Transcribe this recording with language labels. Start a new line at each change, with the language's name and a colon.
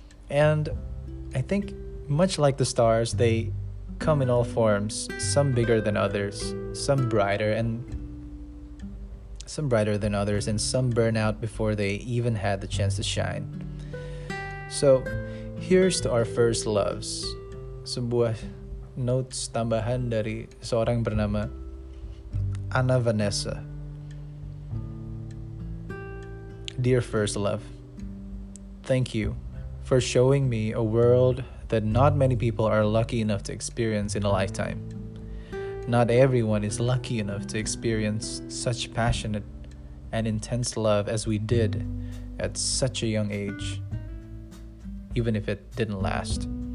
English: And I think, much like the stars, they come in all forms, some bigger than others, some brighter than others, and some burn out before they even had the chance to shine. So here's to our first loves.
Indonesian: Sebuah notes tambahan dari seorang bernama Anna Vanessa.
English: Dear first love, thank you for showing me a world that not many people are lucky enough to experience in a lifetime. Not everyone is lucky enough to experience such passionate and intense love as we did at such a young age, even if it didn't last.